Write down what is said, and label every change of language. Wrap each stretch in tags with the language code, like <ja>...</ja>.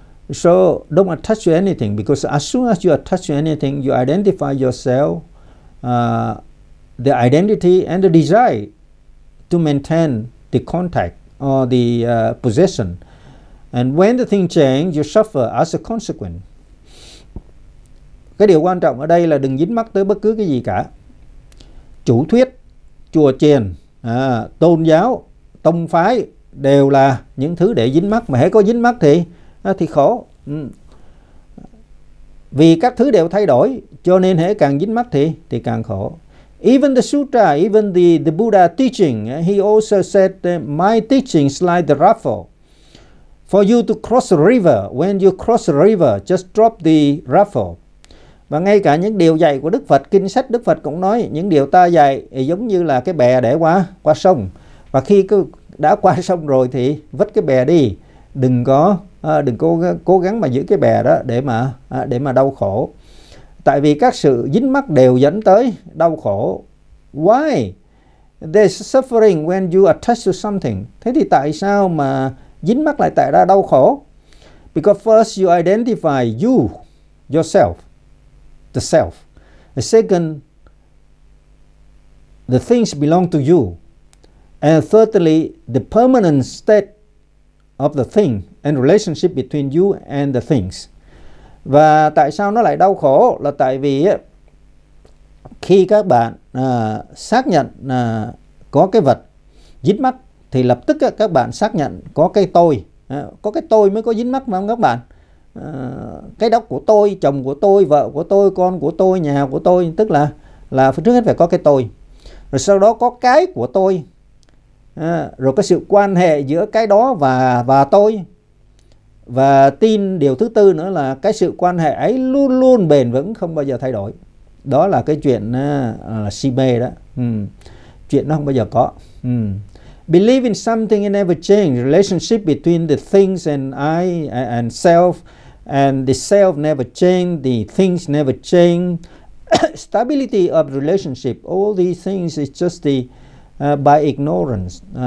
<en>So don't attach to anything, because as soon as you attach to anything, you identify yourself, the identity and the desire to maintain the contact or the possession. And when the thing change, you suffer as a consequence.</en> <vi>Cái điều quan trọng ở đây là đừng dính mắc tới bất cứ cái gì cả. Chủ thuyết, chùa chiền, tôn giáo, tông phái đều là những thứ để dính mắc. Mà hễ có dính mắc thì khổ. Vì các thứ đều thay đổi, cho nên hễ càng dính mắc thì càng khổ. Even the sutra, even the Buddha teaching, he also said that my teaching is like the raffle. For you to cross a river, when you cross a river, just drop the raffle. Và ngay cả những điều dạy của Đức Phật, kinh sách Đức Phật cũng nói những điều ta dạy giống như là cái bè để qua sông. Và khi đã qua sông rồi thì vứt cái bè đi. Đừng có cố gắng mà giữ cái bè đó để mà đau khổ. Tại vì các sự dính mắc đều dẫn tới đau khổ.</vi> <en>Why? There's suffering when you attach to something.</en> <vi>Thế thì tại sao mà dính mắc lại tại ra đau khổ?</vi> <en>Because first you identify you, yourself, the self. The second, the things belong to you. And thirdly, the permanent state of the thing and relationship between you and the things.</en> <vi>Và tại sao nó lại đau khổ? Là tại vì khi các bạn xác nhận có cái vật dính mắc, thì lập tức các bạn xác nhận có cái tôi. Có cái tôi mới có dính mắc mà không các bạn? Cái đó của tôi, chồng của tôi, vợ của tôi, con của tôi, nhà của tôi. Tức là trước hết phải có cái tôi. Rồi sau đó có cái của tôi. Rồi cái sự quan hệ giữa cái đó và tôi. Và tin điều thứ tư nữa là cái sự quan hệ ấy luôn luôn bền vững, không bao giờ thay đổi. Đó là cái chuyện si mê đó. Chuyện nó không bao giờ có.</vi> <en>Believe in something and never change. Relationship between the things and I and self, and the self never change, the things never change. Stability of relationship, all these things is just the by ignorance.</en>